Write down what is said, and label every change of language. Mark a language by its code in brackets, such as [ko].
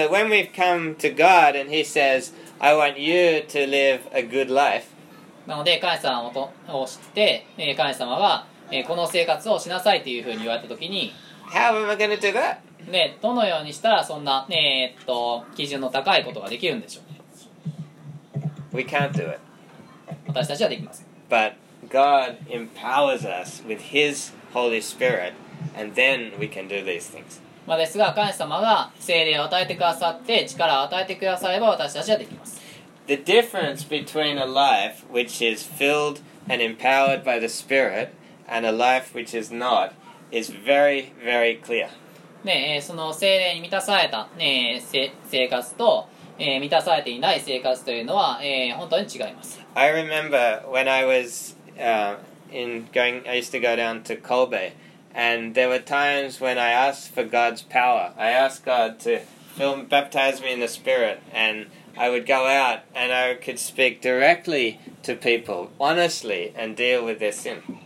[en] And so when we've come to God and He says, I want you to live a good life. [ja] なので、神様を知って、神様が、この生活をしなさいというふうに言われたときに、 [en] How am I going to do that? [ja] で、どのようにしたらそんな、基準の高いことができるんでしょうね。 [en] We can't do it. [ja] 私たちはできません。 [en] But God empowers us with His Holy Spirit, and then we can do these things. [ja] まあ、ですが神様が聖霊を与えてくださって力を与えてくだされば私たちはできます。 [en] The difference between a life which is filled and empowered by the Spirit and a life which is not is very, very clear、 [ja] ね、その聖霊に満たされた、ね、生活と、満たされていない生活というのは、本当に違います。 [en] I remember when I was、I used to go down to KobeAnd there were times when I asked for God's power. I asked God to baptize me in the Spirit. And I would go out and I could speak directly to people, honestly, and deal with their sin.